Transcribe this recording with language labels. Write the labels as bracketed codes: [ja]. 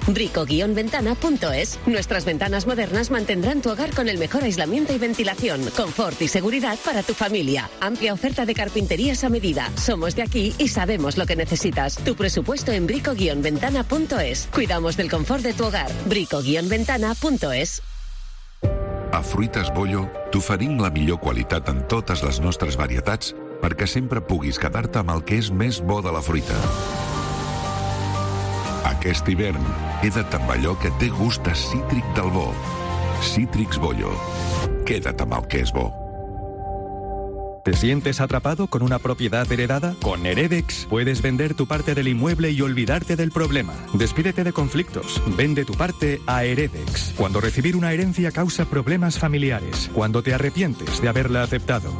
[es] Brico-ventana.es. Nuestras ventanas modernas mantendrán tu hogar con el mejor aislamiento y ventilación, confort y seguridad para tu familia. Amplia oferta de carpinterías a medida. Somos de aquí y sabemos lo que necesitas. Tu presupuesto en brico-ventana.es. Cuidamos del confort de tu hogar. Brico-ventana.es. [ca] A Fruites Bollo t'oferim la millor qualitat en totes les nostres varietats perquè sempre puguis quedar-te amb el que és més bo de la fruita. Aquest hivern, queda't amb allò que té gust a cítric del bo. Cítrics Bollo. Queda't amb el que és bo. [es] ¿Te sientes atrapado con una propiedad heredada? Con Heredex puedes vender tu parte del inmueble y olvidarte del problema. Despídete de conflictos. Vende tu parte a Heredex. Cuando recibir una herencia causa problemas familiares. Cuando te arrepientes de haberla aceptado.